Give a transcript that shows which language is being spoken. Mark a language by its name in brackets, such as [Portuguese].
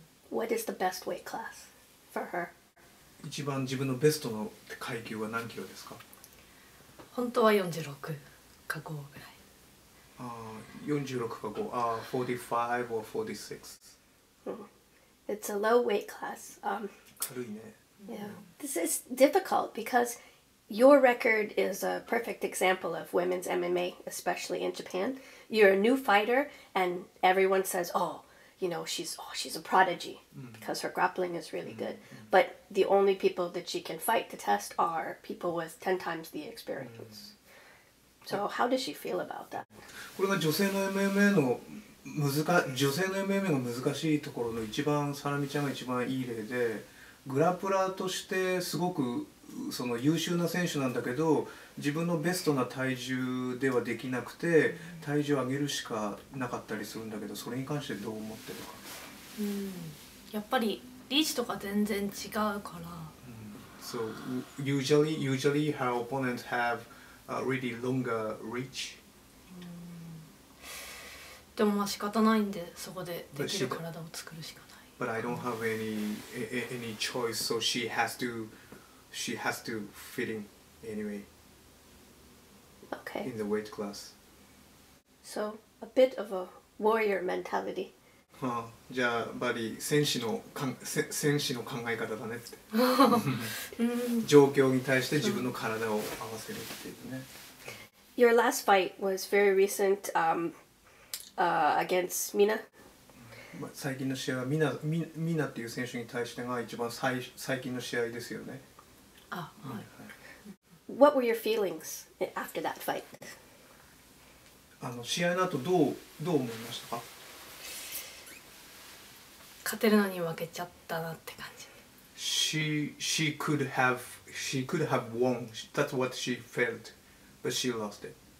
[English] What is the best weight class for her? [Japanese] 一番自分のベストの階級は何キロですか？本当は46か5ぐらい。 [English] 46か5、45 or 46. It's a low weight class. [Japanese] 軽いね。 [English] Yeah, this is difficult because your record is a perfect example of women's MMA, especially in Japan. You're a new fighter and everyone says, oh, you know, she's a prodigy because her grappling is really good. But the only people that she can fight to test are people with 10 times the experience. So how does she feel about that? This is the MMA women's MMA. [Japanese] 女性の MMA が難しいところの一番サラミちゃんが一番いい例でグラップラーとしてすごくその優秀な選手なんだけど自分のベストな体重ではできなくて体重を上げるしかなかったりするんだけどそれに関してどう思ってるか、やっぱりリーチとか全然違うから、 [English] So usually her opponents have a really longer reach? [Japanese] でもまあ仕方ないんでそこでできる体を作るしかない。 [English] But I don't have any choice, so she has to fit in anyway. Okay. In the weight class. So a bit of a warrior mentality. Huh. [Japanese] じゃあバディ戦士の考え方だねって。状況に対して自分の体を合わせるっていうね。 [English] Your last fight was very recent. Against Mina. [Japanese] 最近の試合はミナっていう選手に対してが一番最近の試合ですよね。 [English] What were your feelings after that fight? [Japanese] 試合の後どう思いましたか？勝てるのに負けちゃったなって感じ。 [English] She could have won. That's what she felt, but she lost it.